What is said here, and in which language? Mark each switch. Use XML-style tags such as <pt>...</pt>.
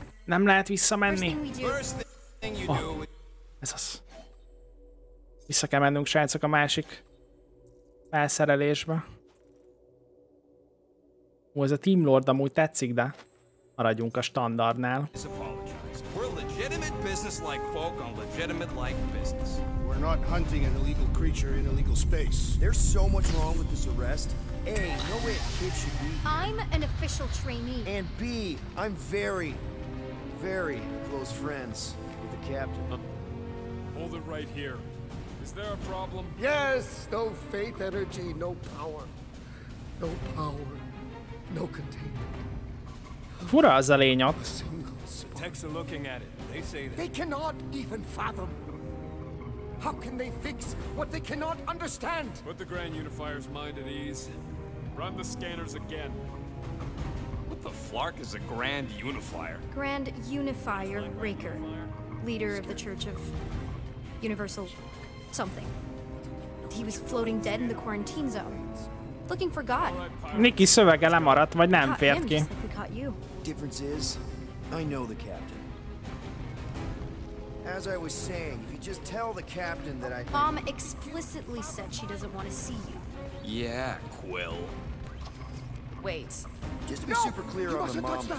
<hu>Nem lehet visszamenni.</hu> <en>Oh,</en> <hu>ez az. Vissza kell mennünk, srácok, a másik felszerelésbe. Ó, ez a Team Lord amúgy tetszik, de maradjunk a standardnál.</hu> <en>We're legitimate business-like folk on legitimate-like business. We're not hunting an illegal creature in illegal space. There's so much wrong with this arrest. A, no way a kid should be. I'm an official trainee. And B, I'm very, very close friends with the captain. Hold it right here. Is there a problem? Yes! No faith energy, no power. No power, no containment.</en> <hu>Fura az a lény ott.</hu> <en>Techs are looking at it. They say that. They cannot even fathom. How can they fix what they cannot understand? Put the Grand Unifier's mind at ease. Run the scanners again. What the flark is a Grand Unifier? Grand Unifier Raker. Leader of the Church of Universal something. He was floating dead in the quarantine zone. Looking for God.</en> <hu>Nikki szövege lemaradt, vagy nem fért ki.</hu> <en>Difference is, I know the captain. As I was saying, if you just tell the captain that I... Mom explicitly said she doesn't want to see you. Yeah, Quill. Wait. Just to be super clear on the mom thing.</en>